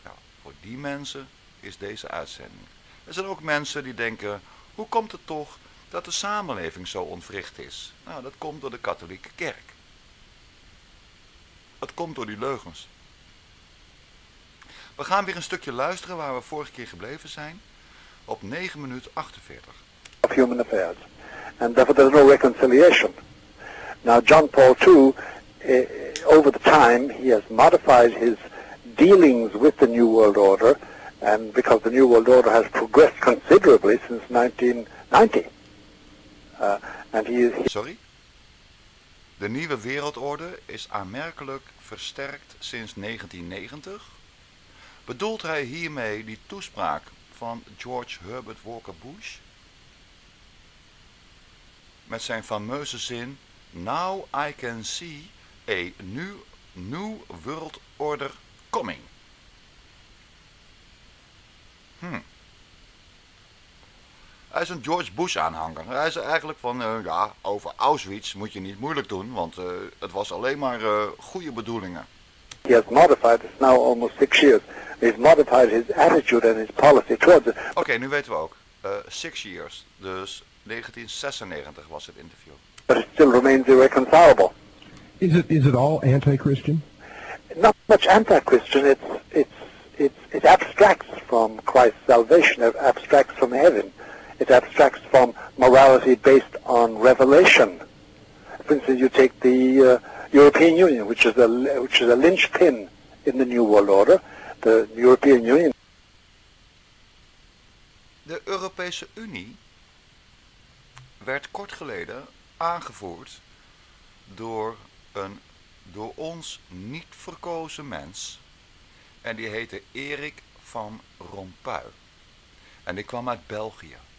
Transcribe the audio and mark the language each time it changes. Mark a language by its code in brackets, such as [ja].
[nl] Nou, voor die mensen is deze uitzending. Er zijn ook mensen die denken, hoe komt het toch dat de samenleving zo ontwricht is? Nou, dat komt door de katholieke kerk. Dat komt door die leugens. We gaan weer een stukje luisteren waar we vorige keer gebleven zijn. Op 9 minuut 48. [en] Of human affairs. And therefore there's no reconciliation. Now John Paul II, over the time, he has modified his dealings with the New World Order. And because the New World Order has progressed considerably since 1990. Sorry? [nl] De nieuwe wereldorde is aanmerkelijk versterkt sinds 1990. Bedoelt hij hiermee die toespraak van George Herbert Walker Bush? Met zijn fameuze zin, [en] Now I can see a new world order coming. [nl] Hij is een George Bush aanhanger. Hij zei eigenlijk van, over Auschwitz moet je niet moeilijk doen, want het was alleen maar goede bedoelingen. [en] He has modified, it's now almost 6 years, he's modified his attitude and his policy towards it. [nl] Oké, nu weten we ook. [en] 6 years, [nl] dus 1996 was het interview. [en] But it still remains irreconcilable. Is it all anti-Christian? Not much anti-Christian, it abstracts from Christ's salvation, it abstracts from heaven. It abstracts from morality based on revelation. For instance, you take the European Union, which is a linchpin in the New World Order. The European Union. [nl] De Europese Unie werd kort geleden aangevoerd door een door ons niet verkozen mens. En die heette Erik van Rompuy. En die kwam uit België.